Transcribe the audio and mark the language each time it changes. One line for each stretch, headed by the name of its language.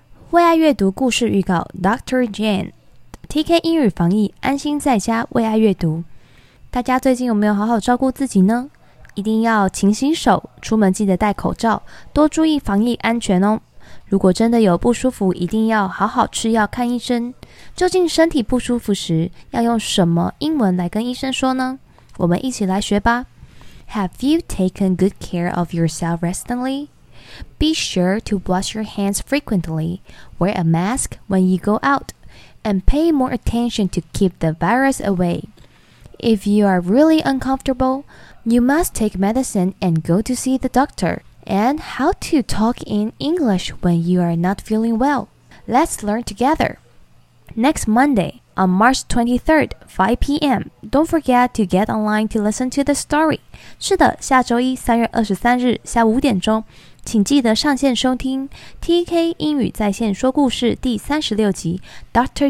Chinese: 为爱阅读故事预告 Dr. Jane TK 英语防疫安心在家为爱阅读，大家最近有没有好好照顾自己呢？一定要勤洗手，出门记得戴口罩，多注意防疫安全哦。如果真的有不舒服，一定要好好吃药看医生。究竟身体不舒服时要用什么英文来跟医生说呢？我们一起来学吧。
English: Have you taken good care of yourself recently? Be sure to wash your hands frequently, wear a mask when you go out, and pay more attention to keep the virus away. If you are really uncomfortable, you must take medicine and go to see the doctor. And how to talk in English when you are not feeling well. Let's learn together. Next Monday, on March 23rd, 5 p.m., don't forget to get online to listen to the story.
Chinese: 是的，下周一3月23日下午5点钟请记得上线收听 TK 英语在线说故事第36集 Dr.